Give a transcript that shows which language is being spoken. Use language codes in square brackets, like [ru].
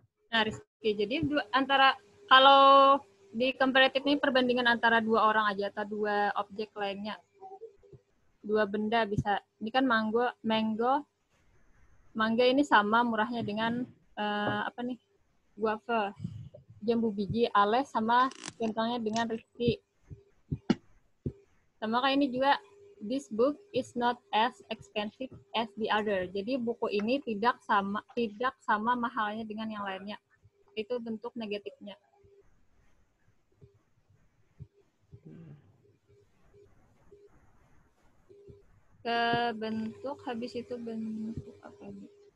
[id] Nah, Rizky. Jadi dua, antara kalau di komparatif ini perbandingan antara dua orang aja atau dua objek lainnya. Dua benda bisa. Ini kan mango, mango. Mangga ini sama murahnya dengan apa nih? Guava. Jambu biji Ale sama gantengnya dengan Rizky. Sama kayak ini juga. [en] This book is not as expensive as the other. [id] Jadi buku ini tidak sama mahalnya dengan yang lainnya. Itu bentuk negatifnya. Ke bentuk habis itu bentuk apa ini?